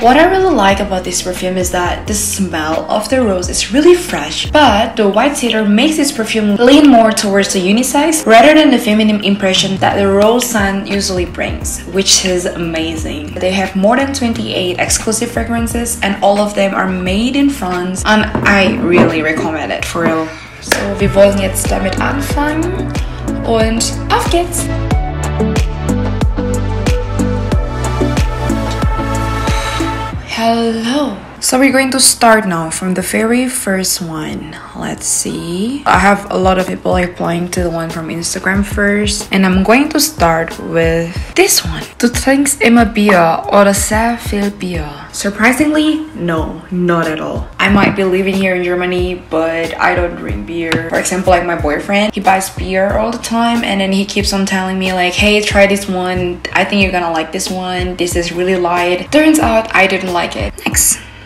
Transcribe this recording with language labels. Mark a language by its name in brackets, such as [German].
[English] What I really like about this perfume is that the smell of the rose is really fresh, but the white cedar makes this perfume lean more towards the unisex rather than the feminine impression that the rose scent usually brings, which is amazing. They have more than 28 exclusive fragrances and all of them are made in France, and I really recommend it for real. [German] So wir wollen jetzt damit anfangen und auf geht's. [English] Hello. So we're going to start now from the very first one. Let's see. I have a lot of people replying to the one from Instagram first, and I'm going to start with this one. [German] Du trinkst immer Bier oder sehr viel Bier? [English] Surprisingly, no, not at all. I might be living here in Germany, but I don't drink beer. For example, like my boyfriend, he buys beer all the time, and then he keeps on telling me like, hey, try this one. I think you're gonna like this one. This is really light. Turns out I didn't like it. Next.